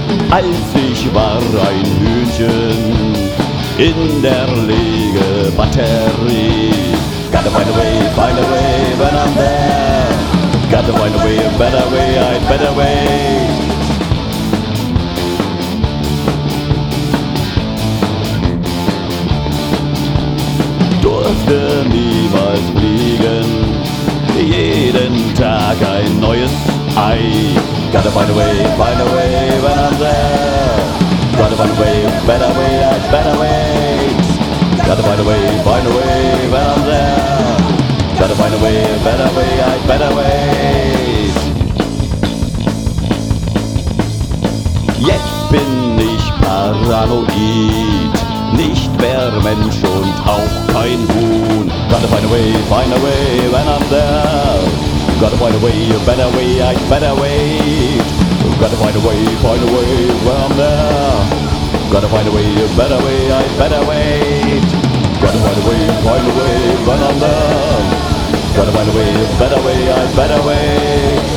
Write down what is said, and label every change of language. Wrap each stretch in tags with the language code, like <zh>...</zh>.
<de>Als ich war ein Hühnchen in der Legebatterie.</de> <en>Gotta find a way, find a way, when I'm there. Gotta find a better way, a better way.</en> <de>Durfte niemals fliegen, jeden Tag ein neues Ei.</de> <en>Gotta find a way, when I'm there. Gotta find a way, a better way. Gotta find a way, when I'm there. Gotta find a way, a better way, a better way.</en> <de>Jetzt bin ich paranoid, nicht mehr Mensch und auch kein Huhn.</de> <en>Gotta find a way, when I'm there. Gotta find a way, a better way, a better way. Gotta find a way, where I'm there. Gotta find a way, a better way, a better way. Gotta find a way, where I'm there. Gotta find a better way, a better way.</en>